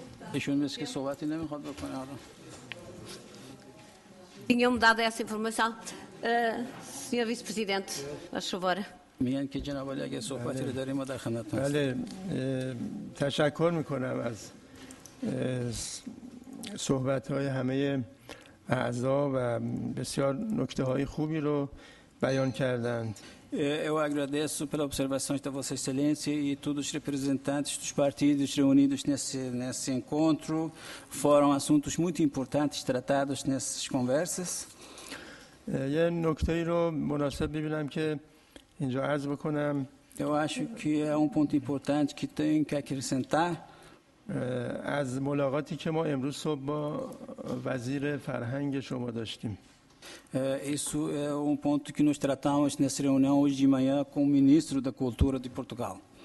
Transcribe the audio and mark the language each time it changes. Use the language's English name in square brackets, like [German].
[Portuguese] Deixou-me que sou lá, ainda me roda para nada. Tinham-me dado essa informação, Sr. Vice-Presidente, faz favor. [Persian] میان که جناب علی اگه صحبتی رو داریم ما در خدمتتون هستیم. بله تشکر میکنم از صحبت‌های همه اعضا و بسیار نکته‌های خوبی رو بیان کردند. [Portuguese] Eu agradeço pela observação da vossa excelência e todos os representantes dos partidos reunidos nesse encontro. Foram assuntos muito importantes tratados nessas conversas. [Persian] یه نکته‌ای رو مناسب می‌بینم که اینجا عرض بکنم. [Portuguese] Eu acho que é ponto importante que tenho que acrescentar. [Persian] از ملاقاتی که ما امروز صبح با وزیر فرهنگ شما داشتیم. [Portuguese] Isso é ponto que nós tratamos nessa reunião hoje de manhã com o ministro da Cultura de Portugal.